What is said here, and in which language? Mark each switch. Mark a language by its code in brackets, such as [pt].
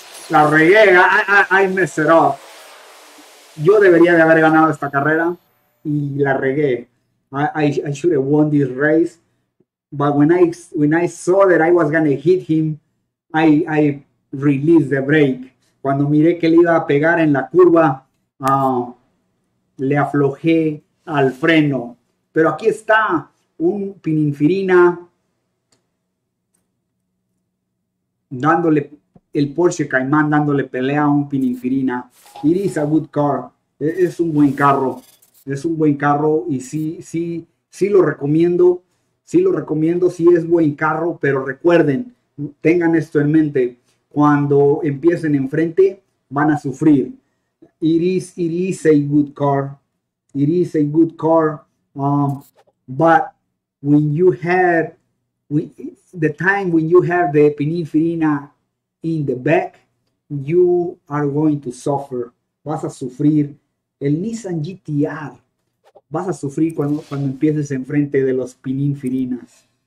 [es] La regué, ahí me cerró. Yo debería de haber ganado esta carrera y la regué. [en] I should have won this race. But when I saw that I was going to hit him, I released the brake. [es] Cuando miré que le iba a pegar en la curva, le aflojé al freno. Pero aquí está un Pininfarina dándole el Porsche Cayman, dándole pelea a un Pininfarina. [en] It is a good car. [es] Es un buen carro. Es un buen carro y sí lo recomiendo. Sí lo recomiendo, sí es buen carro, pero recuerden, tengan esto en mente, cuando empiecen enfrente van a sufrir. [en] It is a good car. It is a good car. But when you had The time when you have the epinefrina in the back, you are going to suffer. [es] Vas a sufrir el Nissan GTR. Vas a sufrir cuando empieces enfrente de los epinefrinas.